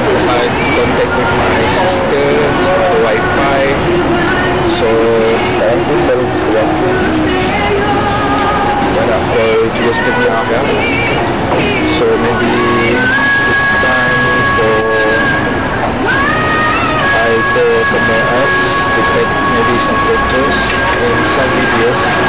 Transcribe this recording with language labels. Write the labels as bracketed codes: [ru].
[en] I contact with my sister. [ms] So ada wifi. So sekarang pun baru keluar. Dah nak call dia setengah ya. [en] So maybe it's time for I go somewhere else to take maybe some photos and some videos.